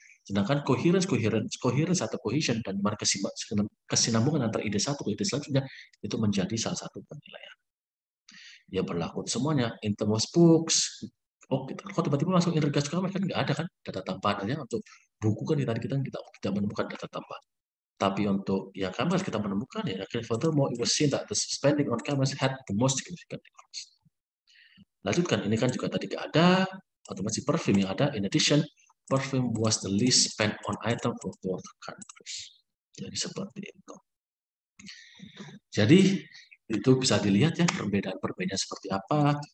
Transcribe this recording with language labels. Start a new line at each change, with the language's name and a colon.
Indonesian: Sedangkan coherence atau cohesion dan kesinambungan antara ide satu ke ide selanjutnya itu menjadi salah satu penilaian. Ya berlaku semuanya,
English: in terms of books.
Indonesian: Oh, kok tiba-tiba masuk
English: in regards to grammar,
Indonesian: kan nggak ada kan data tambahannya untuk buku kan tadi kita tidak menemukan data tambahan. Tapi untuk ya grammar kita menemukan ya.
English: Furthermore, it was seen that the spending on grammar had the most significant difference.
Indonesian: Lanjutkan, ini kan juga tadi nggak ada, atau masih perfume yang ada.
English: In addition, perfume was the least spent on item for both countries.
Indonesian: Jadi seperti itu. Jadi itu bisa dilihat ya perbedaan-perbedaannya seperti apa.